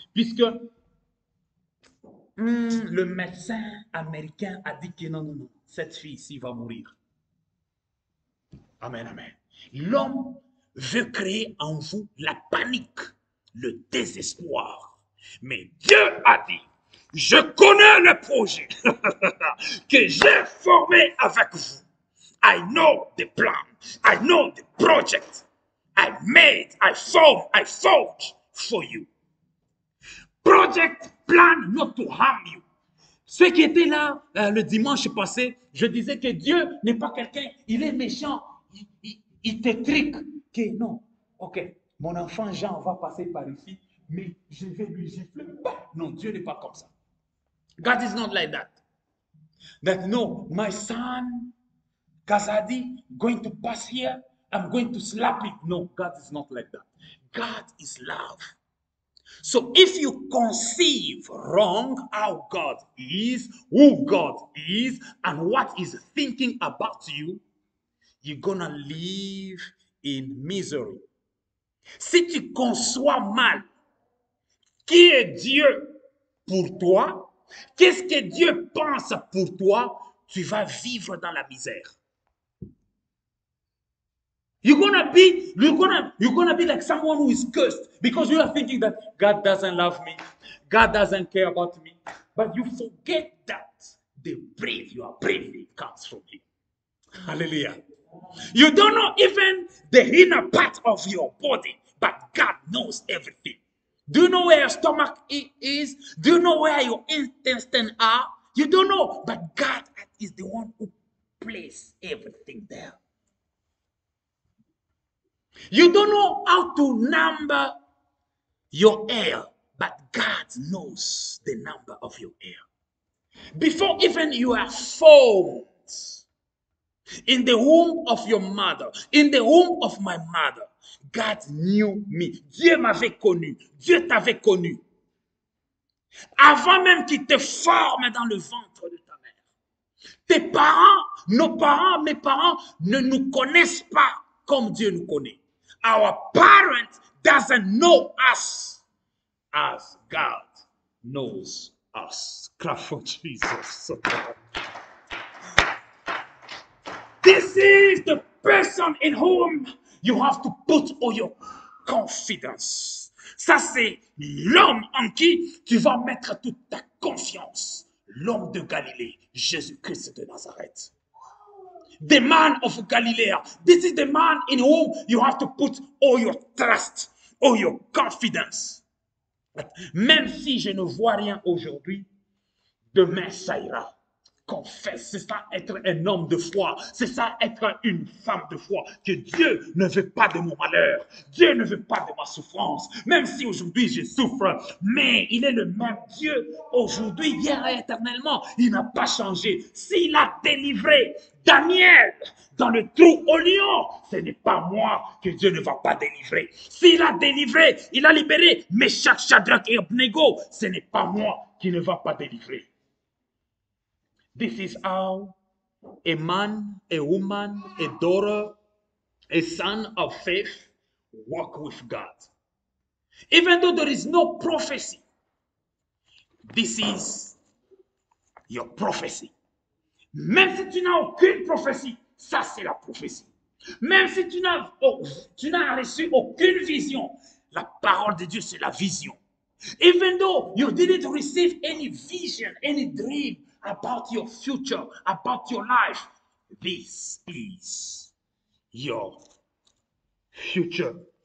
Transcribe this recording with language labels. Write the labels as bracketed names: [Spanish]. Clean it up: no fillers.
[French] Puisque le médecin américain a dit que non, non, non, cette fille ici va mourir. Amen, amen. L'homme veut créer en vous la panique, le désespoir. Mais Dieu a dit, je connais le projet que j'ai formé avec vous. [English] I know the plan. I know the project. I made, I formed, I forged for you. Project, plan not to harm you. [French] Ce qui était là le dimanche passé, je disais que Dieu n'est pas quelqu'un, il est méchant, il te trique. Que non, ok, mon enfant Jean va passer par ici, mais je vais lui gifler. Non, Dieu n'est pas comme ça. [English] God is not like that. That no, my son, Kazadi, going to pass here, I'm going to slap it. No, God is not like that. God is love. So if you conceive wrong how God is, who God is, and what he's thinking about you, you're gonna live in misery. [French] Si tu conçois mal qui est Dieu pour toi, qu'est-ce que Dieu pense pour toi, tu vas vivre dans la misère. [English] You're gonna be like someone who is cursed because you are thinking that God doesn't love me, God doesn't care about me, but you forget that the breath you are breathing comes from him. Hallelujah. You don't know even the inner part of your body, but God knows everything. Do you know where your stomach is? Do you know where your intestines are? You don't know, but God is the one who places everything there. You don't know how to number your hair, but God knows the number of your hair. Before even you are formed, in the womb of your mother, in the womb of my mother, God knew me. [French] Dieu m'avait connu. Dieu t'avait connu. Avant même qu'il te forme dans le ventre de ta mère. Tes parents, nos parents, mes parents ne nous connaissent pas comme Dieu nous connaît. [English] Our parents doesn't know us as God knows us. Clap for Jesus. This is the person in whom you have to put all your confidence. [French] Ça, c'est l'homme en qui tu vas mettre toute ta confiance. L'homme de Galilée, Jésus-Christ de Nazareth. [English] The man of Galilee. This is the man in whom you have to put all your trust, all your confidence. [French] But même si je ne vois rien aujourd'hui, demain ça ira. Confesse, c'est ça être un homme de foi, c'est ça être une femme de foi, que Dieu ne veut pas de mon malheur, Dieu ne veut pas de ma souffrance, même si aujourd'hui je souffre, mais il est le même Dieu aujourd'hui, hier et éternellement, il n'a pas changé. S'il a délivré Daniel dans le trou au lion. Ce n'est pas moi que Dieu ne va pas délivrer. S'il a délivré, il a libéré Meshach, Shadrach et Abnego. Ce n'est pas moi qui ne va pas délivrer. [English] This is how a man, a woman, a daughter, a son of faith walk with God. Even though there is no prophecy, this is your prophecy. [French] Même si tu n'as aucune prophétie, ça c'est la prophétie. Même si tu n'as reçu aucune vision, la parole de Dieu c'est la vision. [English] Even though you didn't receive any vision, any dream about your future, about your life, this is your future.